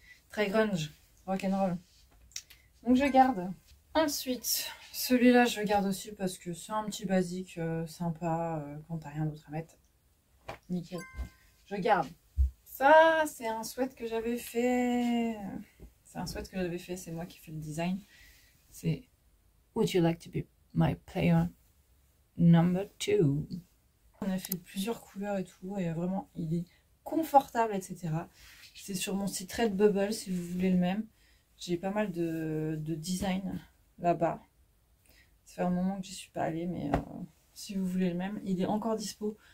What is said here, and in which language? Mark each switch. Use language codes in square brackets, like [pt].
[fr] Très grunge, rock'n'roll. Donc je garde. Ensuite, celui-là, je le garde aussi parce que c'est un petit basique sympa quand t'as rien d'autre à mettre. Nickel. Je garde. Ça, c'est un sweat que j'avais fait. C'est un sweat que j'avais fait. C'est moi qui fais le design. C'est [en] Would you like to be my player number two? [fr] On a fait plusieurs couleurs et tout. Et vraiment, il est confortable, etc. C'est sur mon site Redbubble si vous voulez le même. J'ai pas mal de design. Là-bas. Ça fait un moment que j'y suis pas allée, mais si vous voulez le même, il est encore dispo.